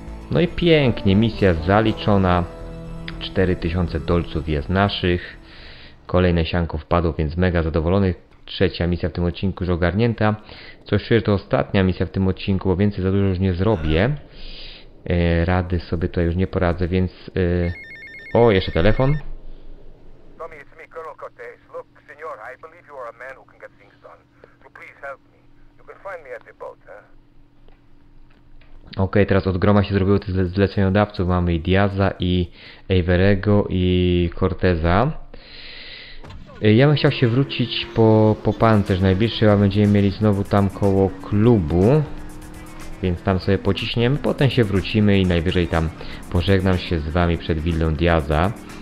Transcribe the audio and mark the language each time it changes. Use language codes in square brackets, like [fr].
[pl] No i pięknie, misja zaliczona. 4000 dolców jest naszych. Kolejne sianko wpadło, więc mega zadowolony. Trzecia misja w tym odcinku już ogarnięta. Coś czuję, że to ostatnia misja w tym odcinku, bo więcej za dużo już nie zrobię. Rady sobie tutaj już nie poradzę, więc... O, jeszcze telefon. [en] Tommy, it's me, Colonel Cortez. Look, senor, I believe you are a man who can get things done. So please help me. You can find me at the boat, huh? [pl] Okej, teraz od groma się zrobiło tych zleceniodawców. Mamy i Diaza, i Averego, i Corteza. Ja bym chciał się wrócić po pancerz najbliższy, a będziemy mieli znowu tam koło klubu. Więc tam sobie pociśniemy, potem się wrócimy i najwyżej tam pożegnam się z wami przed willą Diaza.